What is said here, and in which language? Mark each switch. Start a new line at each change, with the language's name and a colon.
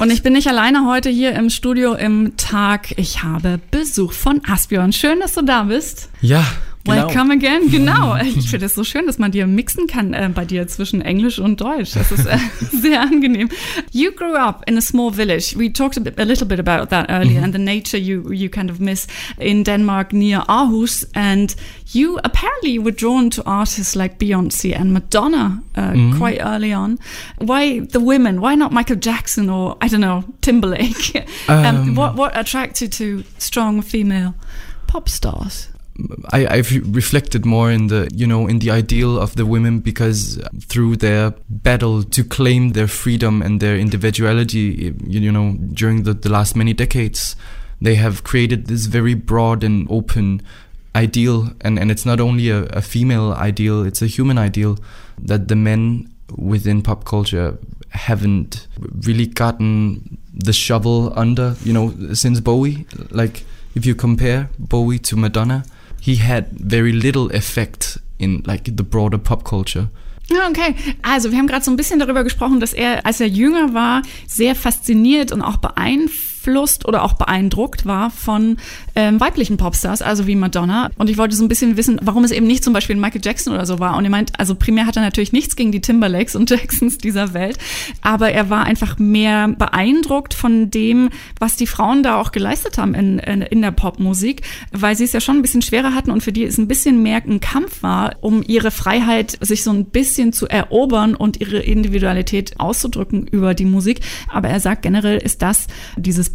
German: Und ich bin nicht alleine heute hier im Studio im Tag. Ich habe Besuch von Asbjørn. Schön, dass du da bist. Ja, genau.
English: Welcome again.
German: Genau. Ich finde es so schön, dass man dir mixen kann bei dir zwischen Englisch und Deutsch. Das ist sehr angenehm.
English: You grew up in a small village. We talked a little bit about that earlier, mm-hmm. and the nature you kind of miss in Denmark near Aarhus. And you apparently were drawn to artists like Beyoncé and Madonna mm-hmm. quite early on. Why the women? Why not Michael Jackson or, I don't know, Timberlake? What attracted to strong female pop stars? I've reflected more in the, you know, in the ideal of the women, because through their battle to claim their freedom and their individuality, you know, during the last many decades, they have created this very broad and open ideal. And it's not only a female ideal, it's a human ideal that the men within pop culture haven't really gotten the shovel under, you know, since Bowie. Like, if you compare Bowie to Madonna, he had very little effect in like the broader pop culture.
German: Okay, also wir haben gerade so ein bisschen darüber gesprochen, dass er, als er jünger war, sehr fasziniert und auch beeinflusst oder auch beeindruckt war von weiblichen Popstars, also wie Madonna. Und ich wollte so ein bisschen wissen, warum es eben nicht zum Beispiel Michael Jackson oder so war. Und er meint, also primär hat er natürlich nichts gegen die Timberlakes und Jacksons dieser Welt, aber er war einfach mehr beeindruckt von dem, was die Frauen da auch geleistet haben in der Popmusik, weil sie es ja schon ein bisschen schwerer hatten und für die es ein bisschen mehr ein Kampf war, um ihre Freiheit sich so ein bisschen zu erobern und ihre Individualität auszudrücken über die Musik. Aber er sagt, generell ist das dieses